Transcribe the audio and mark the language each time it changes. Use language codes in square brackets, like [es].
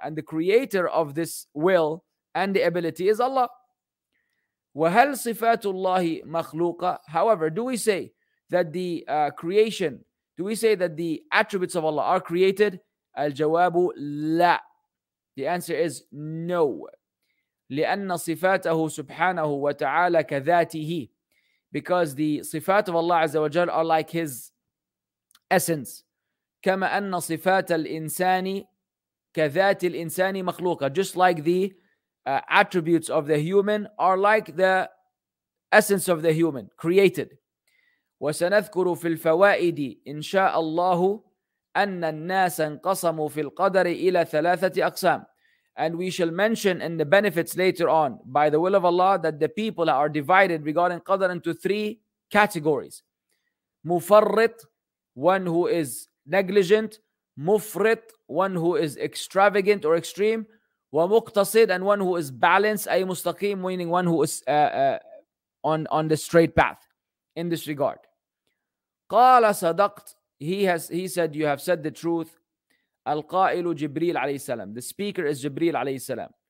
[en] And the creator of this will and the ability is Allah. [ar] وَهَلْ صِفَاتُ اللَّهِ مَخْلُوقًا. [en] However, do we say that the creation, do we say that the attributes of Allah are created? [ar] الجواب لا. [en] The answer is no. [ar] لأن صفاته سبحانه وتعالى كذاته. [en] Because the صفات of Allah عز وجل are like His essence. [ar] كما أن صفات الإنسان كذات الإنسان مخلوقة. [en] Just like the attributes of the human are like the essence of the human created. [ar] وسنذكر في الفوائد إن شاء الله أن الناس انقسموا في القدر إلى ثلاثة أقسام. [en] And we shall mention in the benefits later on, by the will of Allah, that the people are divided regarding Qadr into three categories. مفرط, one who is negligent. مفرط, one who is extravagant or extreme, ومقتصد, and one who is balanced, [ar] أي مستقيم, [en] meaning one who is on the straight path in this regard. [ar] قال صدقت, [en] he said you have said the truth. [ar] القائل جبريل عليه السلام, [en] the speaker is [ar] جبريل عليه السلام.